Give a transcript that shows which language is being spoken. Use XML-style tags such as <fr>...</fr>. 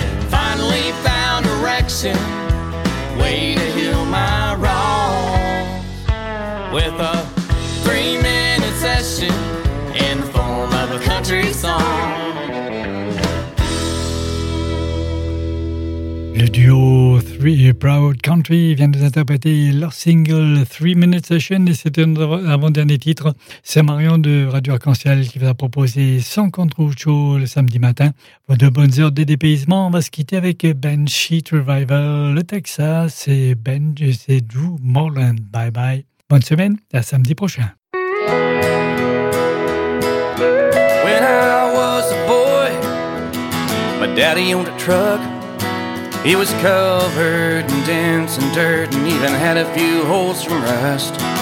<en>Finally found direction, way to heal my wrong with a 3-minute session in the form of a country song.</en> <fr>Le duo Three Proud Country vient d'interpréter leur single 3-Minute Session et c'était notre avant-dernier titre. C'est Marion de Radio Arc-en-Ciel qui vous a proposé Sans Contrôle Show le samedi matin. Pour de bonnes heures de dépaysement, on va se quitter avec Banshee Revival, le Texas et Ben, c'est Drew Morland. Bye bye. Bonne semaine et à samedi prochain.</fr> <en>When I was a boy, my daddy owned a truck. He was covered in dents and dirt and even had a few holes from rust.</en>